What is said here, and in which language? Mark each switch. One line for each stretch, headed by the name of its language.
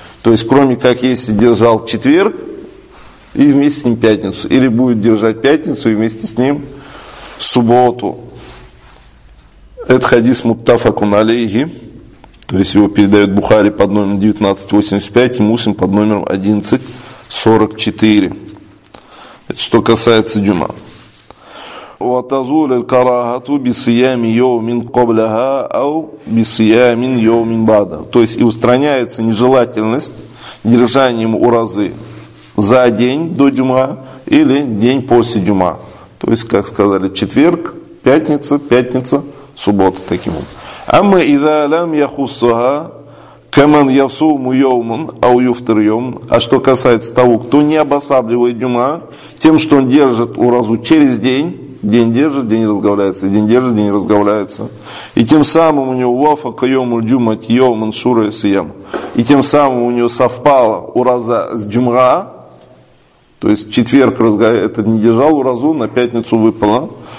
Russian: То есть, кроме как если держал четверг и вместе с ним пятницу, или будет держать пятницу и вместе с ним субботу. Это хадис муттафакун алейхи. То есть его передают Бухари под номером 1985 и Муслим под номером 1144. Это что касается дюма.
Arabic: وتزول الكراهة بصيام يوم قبلها أو بصيام يوم بعدها.
Russian: То есть и устраняется нежелательность держанием уразы за день до дюма или день после дюма. То есть, как сказали, четверг, пятница, пятница, суббота таким образом.
Arabic: أما إذا لم يخصها كمن يصوم يوما أو يفطر يوما.
Russian: А что касается того, кто не обосабливает дюма тем, что он держит уразу через день, день держит, день разговляется, день держит, день разговляется. И тем самым у него вафа кайому дюма тьёму шура и сиям. И тем самым у него совпало ураза с дюмга, то есть четверг это не держал уразу, на пятницу выпало.